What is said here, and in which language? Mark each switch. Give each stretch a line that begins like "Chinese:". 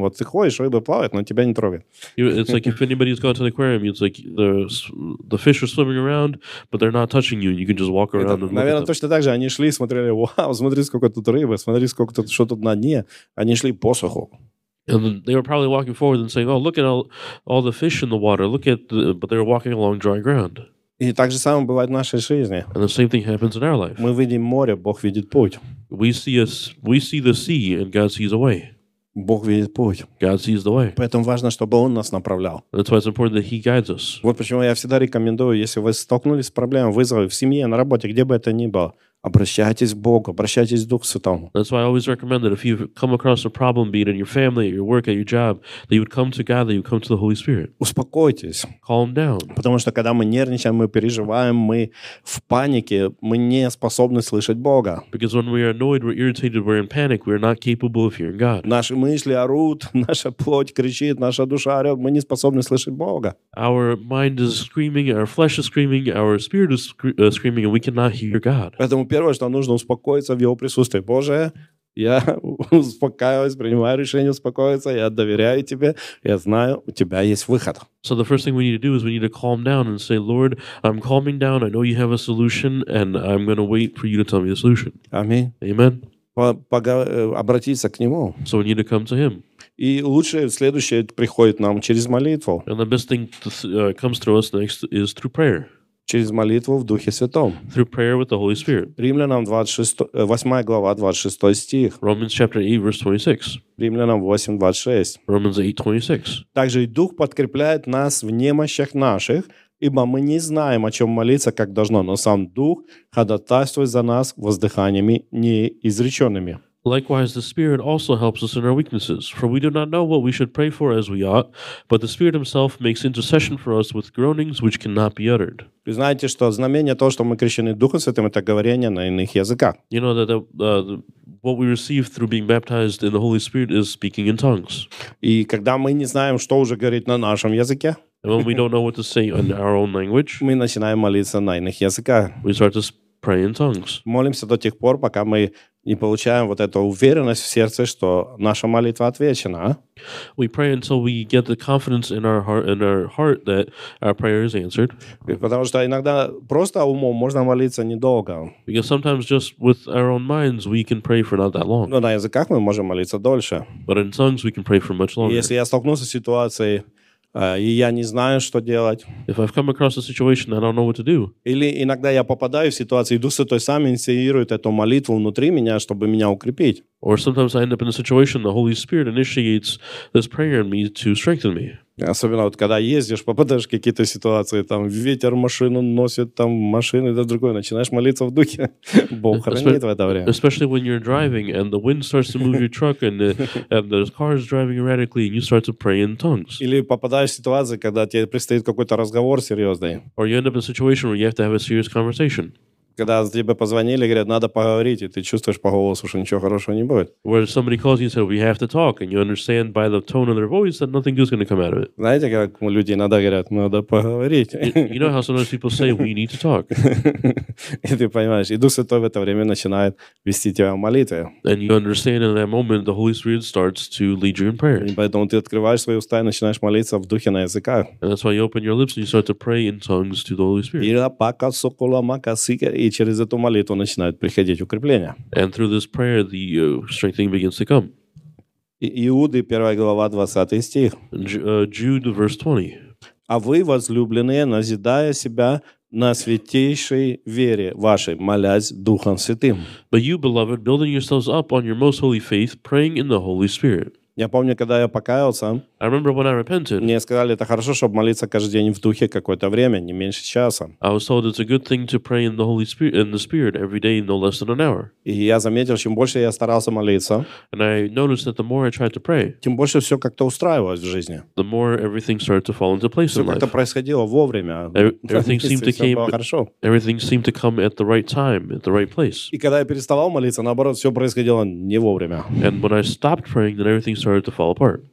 Russian: Вот ты ходишь, рыбы плавают, но тебя не трогают.
English: It's like if anybody's gone to an aquarium, it's like the fish are swimming around, but they're not touching you. You can just walk around.
Russian: Это, наверное, точно так же. Они шли, смотрели, вау, смотри, сколько тут рыбы, смотри, сколько тут, что тут на дне. Они шли по суху.
English: And they were probably walking forward and saying, "Oh, look at all the fish in the water. Look at the..." But they were walking along dry ground.
Russian: И так же самое бывает в нашей жизни.
English: And the same thing happens in our life.
Russian: Мы видим море, Бог видит путь.
English: We see the sea, and God sees a way.
Russian: Бог видит путь.
English: God sees the way.
Russian: Поэтому важно, чтобы Он нас направлял.
English: That's why it's important that He guides us.
Russian: Вот почему я всегда рекомендую, если вы столкнулись с проблемой, вызовы в семье, на работе, где бы это ни было, Обращайтесь к Богу, обращайтесь к Духу Святому.
English: That's why I always recommend that if you come across a problem, be it in your family, at your work, at your job, that you would come to God, that you come to the Holy Spirit.
Russian: Успокойтесь.
English: Calm down.
Russian: Потому что когда мы нервничаем, мы переживаем, мы в панике, мы не способны слышать Бога.
English: Because when we are annoyed, we're irritated, we're in panic, we're not capable of hearing God.
Russian: Наши мысли орут, наша плоть кричит, наша душа орет, мы не способны слышать Бога.
English: Our mind is screaming, our flesh is screaming, our spirit is screaming, and we cannot hear God.
Russian: Первое, что нужно успокоиться в Его присутствии. Боже, я успокаиваюсь, принимаю решение успокоиться, я доверяю Тебе, я знаю, у Тебя есть выход.
English: So the first thing we need to do is we need to calm down and say, Lord, I'm calming down, I know You have a solution, and I'm going to wait for You to tell me the solution.
Russian: Аминь.
English: Amen.
Russian: Обратиться к Нему.
English: So we need to come to Him.
Russian: И лучшее следующее приходит нам через молитву.
English: And the best thing to comes through us next is through prayer.
Russian: Через молитву в Духе Святом.
English: Through prayer with the Holy Spirit.
Russian: Римлянам 8 глава, 26 стих.
English: Romans chapter 8, verse 26.
Russian: Римлянам 8, 26.
English: Romans 8, 26.
Russian: Также и Дух подкрепляет нас в немощах наших, ибо мы не знаем, о чем молиться, как должно, но сам Дух ходатайствует за нас воздыханиями неизреченными.
English: Likewise, the Spirit also helps us in our weaknesses, for we do not know what we should pray for as we ought, but the Spirit Himself makes intercession for us with groanings which cannot be uttered.
Russian: Вы знаете, что знамение того, что мы крещены Духом Святым, это говорение на иных языках.
English: You know that what we receive through being baptized in the Holy Spirit is speaking in tongues.
Russian: И когда мы не знаем, что уже говорить на нашем языке,
English: and when we don't know what to say in our own language,
Russian: мы начинаем молиться на иных языках.
English: We start to pray in tongues.
Russian: Молимся до тех пор, пока мы не получаем вот эту уверенность в сердце, что наша молитва отвечена.
English: We pray until we get the confidence in our heart that our prayer is answered.
Russian: Потому что иногда просто умом можно молиться недолго.
English: Because sometimes just with our own minds we can pray for not that long.
Russian: Но на языках мы можем молиться дольше.
English: But in tongues we can pray for much longer.
Russian: Если я столкнулся с ситуацией, и я не знаю, что делать.
English: If I've come across a situation, I don't know what to do.
Russian: Или иногда я попадаю в ситуацию, и Дух Святой сам инициирует эту молитву внутри меня, чтобы меня укрепить.
English: Or sometimes I end up in a situation, the Holy Spirit initiates this prayer in me to strengthen me.
Russian: Особенно вот когда ездишь, попадаешь в какие-то ситуации, там ветер машину носит, там машины, да другое, начинаешь молиться в духе. Бог хранит в это время.
English: Especially when you're driving and the wind starts to move your truck and there's cars driving erratically and you start to pray in tongues.
Russian: Или попадаешь в ситуации, когда тебе предстоит какой-то разговор серьезный.
English: Or you end up in a situation where you have to have a serious conversation.
Russian: Когда тебе позвонили, говорят, надо поговорить, и ты чувствуешь по голосу, что ничего хорошего не будет.
English: Where somebody calls you and said, we have to talk, and you understand by the tone of their voice that nothing good is going to come out of it.
Russian: Знаете, как люди иногда говорят, надо поговорить.
English: You know how sometimes people say, we need to talk.
Russian: И ты понимаешь, и Дух Святой в это время начинает вести тебя в молитве.
English: And you understand in that moment, the Holy Spirit starts to lead you in prayer.
Russian: И поэтому ты открываешь свои уста и начинаешь молиться в духе на языках.
English: And that's why you open your lips and you start to pray in tongues to the Holy Spirit. Ира пака сокола мака сика.
Russian: И через эту молитву начинает приходить укрепление.
English: And through this prayer, the strengthening begins to come.
Russian: Иуды, 1 глава, 20 стих.
English: Jude, verse 20.
Russian: А вы, возлюбленные, назидая себя на святейшей вере вашей, молясь Духом Святым.
English: But you, beloved, building yourselves up on your most holy faith, praying in the Holy Spirit.
Russian: Я помню, когда я покаялся,
English: I remember when I repented.
Russian: Мне сказали, это хорошо, чтобы молиться каждый день в духе какое-то время, не меньше часа.
English: I was told it's a good thing to pray in the Holy Spirit, in the Spirit every day, no less than an hour.
Russian: И я заметил, чем больше я старался молиться,
English: and I noticed that the more I tried to pray,
Russian: тем больше все как-то устраивалось в жизни.
English: The more everything started to fall into place in life.
Russian: Все как-то происходило вовремя.
English: Everything seemed to came.
Russian: Хорошо.
English: Everything seemed to come at the right time, at the right place.
Russian: И когда я переставал молиться, наоборот, все происходило не вовремя.
English: And when I stopped praying, then everything started to fall apart.